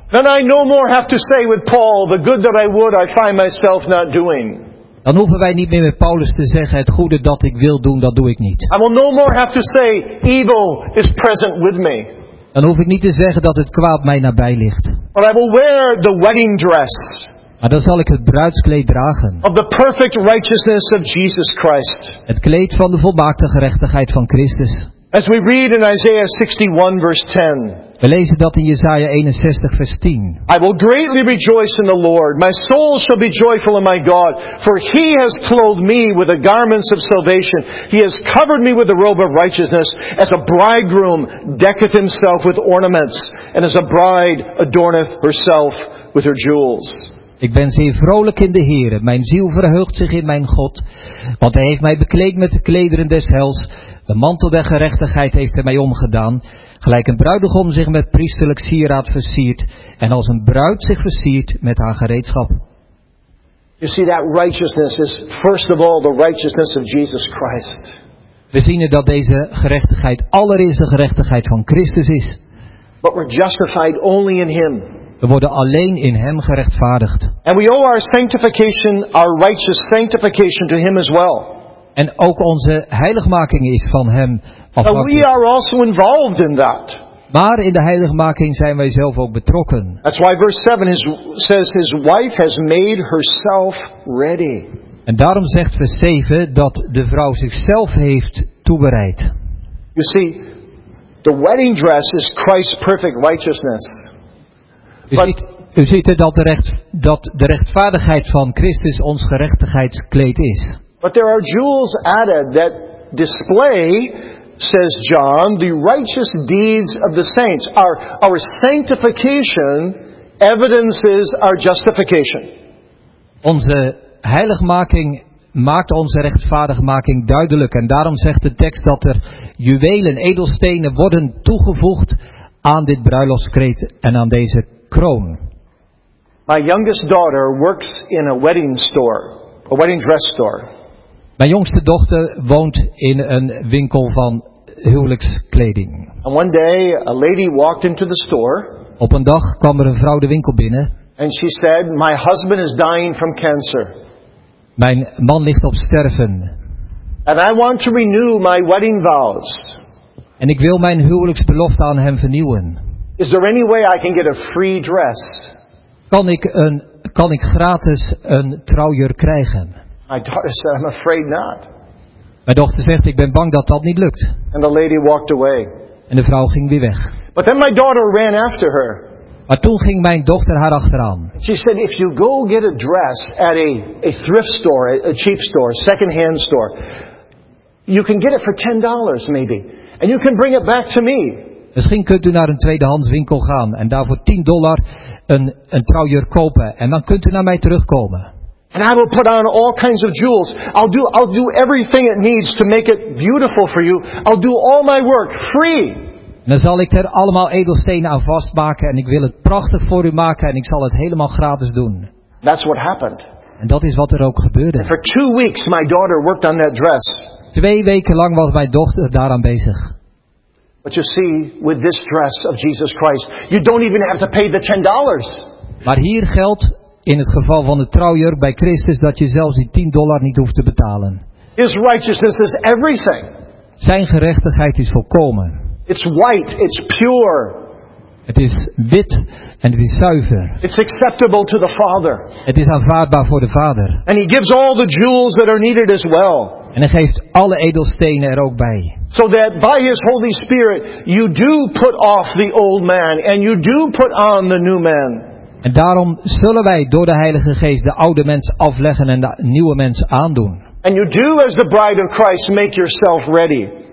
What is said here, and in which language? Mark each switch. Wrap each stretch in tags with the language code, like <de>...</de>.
<en>Then I no more have to say with Paul, the good that I would, I find myself not doing.</en> <nl>Dan hoeven wij niet meer met Paulus te zeggen, het goede dat ik wil doen, dat doe ik niet.</nl> <en>I will no more have to say, evil is present with me.</en> <nl>Dan hoef ik niet te zeggen dat het kwaad mij nabij ligt.</nl> <en>But I will wear the wedding dress.</en> <nl>Maar dan zal ik het bruidskleed dragen.</nl> <en>Of the perfect righteousness of Jesus Christ.</en> <nl>Het kleed van de volmaakte gerechtigheid van Christus.</nl> <en>As we read in Isaiah 61 verse 10.</en> <nl>We lezen dat in Jesaja 61 vers 10.</nl> <en>I will greatly rejoice in the Lord. My soul shall be joyful in my God. For he has clothed me with the garments of salvation. He has covered me with the robe of righteousness. As a bridegroom decketh himself with ornaments. And as a bride adorneth herself with her jewels.</en> <nl>Ik ben zeer vrolijk in de Heere. Mijn ziel verheugt zich in mijn God. Want hij heeft mij bekleed met de klederen des hels. De mantel der gerechtigheid heeft hij mij omgedaan. Gelijk een bruidegom zich met priesterlijk sieraad versiert. En als een bruid zich versiert met haar gereedschap.</nl> <en>You see, that righteousness is first of all the righteousness of Jesus Christ.</en> <nl>We zien het dat deze gerechtigheid allereerst de gerechtigheid van Christus is.</nl> <en>But we're justified only in him.</en> <nl>We worden alleen in hem gerechtvaardigd.</nl> <en>And we owe our sanctification, our righteous sanctification to him as well.</en> <nl>En ook onze heiligmaking is van hem afhankelijk.</nl> <en>We are also involved in that.</en> <nl>Maar in de heiligmaking zijn wij zelf ook betrokken.</nl> <en>That's why verse 7 says his wife has made herself ready.</en> <nl>En daarom zegt vers 7 dat de vrouw zichzelf heeft toebereid.</nl> <en>You see, the wedding dress is Christ's perfect righteousness.</en> <nl>U ziet dat de rechtvaardigheid van Christus ons gerechtigheidskleed is.</nl> <en>But there are jewels added that display, says John, the righteous deeds of the saints. Our sanctification evidences our justification.</en> <nl>Onze heiligmaking maakt onze rechtvaardigmaking duidelijk. En daarom zegt de tekst dat er juwelen, edelstenen worden toegevoegd aan dit bruiloftskleed en aan deze kroon.</nl> <en>My youngest daughter works in a wedding store, a wedding dress store.</en> <nl>Mijn jongste dochter woont in een winkel van huwelijkskleding.</nl> <en>And one day a lady walked into the store.</en> <nl>Op een dag kwam er een vrouw de winkel binnen.</nl> <en>And she said, "My husband is dying from cancer."</en> <nl>Mijn man ligt op sterven.</nl> <en>"And I want to renew my wedding vows."</en> <nl>En ik wil mijn huwelijksbelofte aan hem vernieuwen.</nl> <en>"Is there any way I can get a free dress?"</en> <nl>Kan ik gratis een trouwjurk krijgen?</nl> <en>"My daughter said, I'm afraid not."</en> <nl>Mijn dochter zegt, ik ben bang dat dat niet lukt.</nl> <en>"And the lady walked away."</en> <nl>En de vrouw ging weer weg.</nl> <en>"But then my daughter ran after her."</en> <nl>Maar toen ging mijn dochter haar achteraan.</nl> <en>"She said, if you go get a dress at a thrift store, a cheap store, second-hand store, you can get it for $10 maybe, and you can bring it back to me."</en> <nl>Misschien kunt u naar een tweedehands winkel gaan en daar voor $10 een trouwjurk kopen en dan kunt u naar mij terugkomen.</nl> <en>"And I will put on all kinds of jewels. I'll do everything it needs to make it beautiful for you. I'll do all my work free."</en> <nl>En dan zal ik er allemaal edelstenen aan vastmaken en ik wil het prachtig voor u maken en ik zal het helemaal gratis doen.</nl> <en>That's what happened.</en> <nl>En dat is wat er ook gebeurde.</nl> <en>And for 2 weeks my daughter worked on that dress.</en> <nl>2 weken lang was mijn dochter daaraan bezig.</nl> <en>But you see, with this dress of Jesus Christ, you don't even have to pay the $10.</en> <nl>Maar hier geldt in het geval van de trouwjurk bij Christus dat je zelfs die $10 niet hoeft te betalen.</nl> <en>His righteousness is everything.</en> <nl>Zijn gerechtigheid is volkomen.</nl> <en>It's white, it's pure.</en> <nl>Het is wit en het is zuiver.</nl> <en>It's acceptable to the Father.</en> <nl>Het is aanvaardbaar voor de Vader.</nl> <en>And he gives all the jewels that are needed as well.</en> <nl>En hij geeft alle edelstenen er ook bij.</nl> <en>So that by his Holy Spirit you do put off the old man and you do put on the new man.</en> <nl>En daarom zullen wij door de Heilige Geest de oude mens afleggen en de nieuwe mens aandoen.</nl> <en>And you do as the bride of Christ make yourself ready.</en>